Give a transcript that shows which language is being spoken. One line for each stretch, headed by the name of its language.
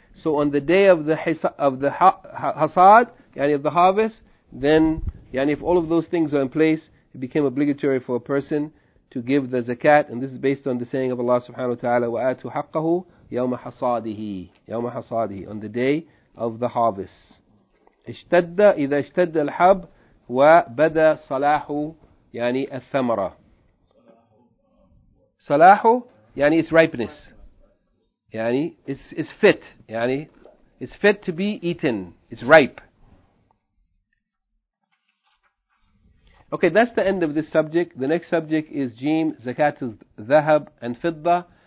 English: So on the day of the hasad, yani of the harvest, then, yani if all of those things are in place, it became obligatory for a person to give the zakat. And this is based on the saying of Allah subhanahu wa ta'ala,
Arabic: وَآتُوا حَقَّهُ يَوْمَ حَصَادِهِ يَوْمَ حَصَادِهِ,
English: on the day of the harvest.
Arabic: اشْتَدَّ إِذَا اشْتَدَّ الْحَبْ وَبَدَى صَلَاحُ yani الثَّمَرَة.
English: صلاحه يعني its ripeness, يعني it's fit, يعني it's fit to be eaten, it's ripe. Okay, that's the end of this subject. The next subject is
Arabic: جيم زكاه الذهب
English: and فضة.